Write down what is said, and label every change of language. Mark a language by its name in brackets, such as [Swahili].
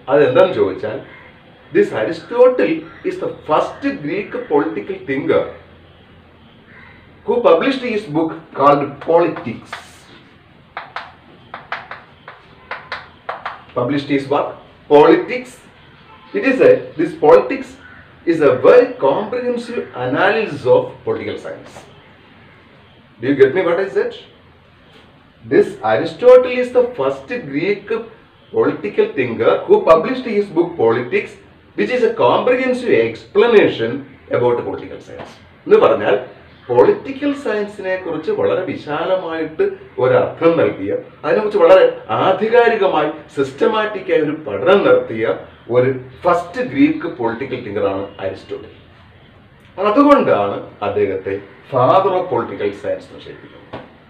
[Malayalam] അതെന്താന്ന് ചോദിച്ചാൽ, [English] This Aristotle is the first Greek political thinker who published his book called Politics. Published his work Politics. It is a this Politics is a very comprehensive analysis of political science. Do you get me what I said? This Aristotle is the first Greek political thinker who published his book Politics, which is a comprehensive explanation about political science. [Malayalam] എന്ന് പറഞ്ഞാൽ political സയൻസിനെ കുറിച്ച് വളരെ വിശാലമായിട്ട് ഒരർത്ഥം നൽകിയ, അതിനെക്കുറിച്ച് വളരെ ആധികാരികമായി സിസ്റ്റമാറ്റിക്കായി ഒരു പഠനം നടത്തിയ ഒരു ഫസ്റ്റ് ഗ്രീക്ക് പൊളിറ്റിക്കൽ തിങ്കറാണ് അരിസ്റ്റോട്ടൽ. അതുകൊണ്ടാണ് അദ്ദേഹത്തെ [English] father of political science [Malayalam] എന്ന് വിശേഷിപ്പിക്കുന്നത്.